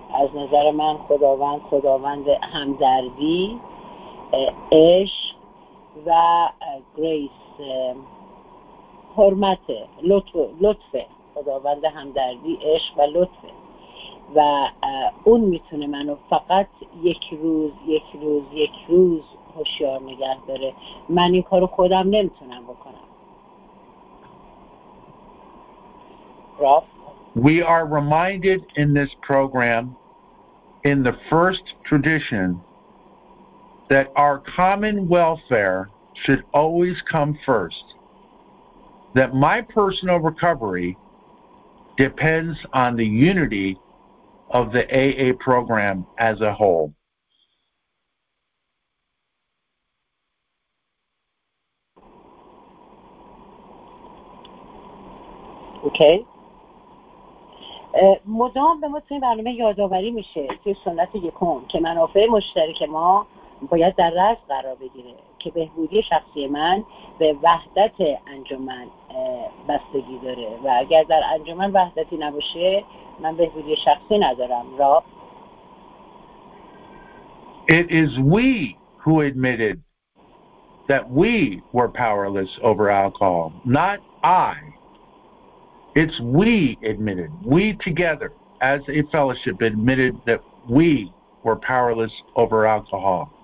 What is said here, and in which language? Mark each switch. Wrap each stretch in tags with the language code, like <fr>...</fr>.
<fa>از نظر من خداوند خداوند همدردی، عشق و گریس، حرمت، لطف. خداوند همدردی، عشق و لطفه و اون میتونه منو فقط یک روز هوشیار نگه داره. من این کارو خودم نمیتونم بکنم. راف.</fa> <en>We are reminded in this program in the first tradition that our common welfare should always come first, that my personal recovery depends on the unity of the AA program as a whole. Okay.</en> <fa>مدام به ما توی برنامه یادآوری میشه توی سنت یکم که منافع مشترک ما باید در رأس قرار بگیره، که بهبودی شخصی من به وحدت انجمن بستگی داره و اگر در انجمن وحدتی نباشه من بهبودی شخصی ندارم. را</fa> <en>It is we who admitted that we were powerless over alcohol, not I. It's we admitted, we together as a fellowship admitted that we were powerless over alcohol.</en>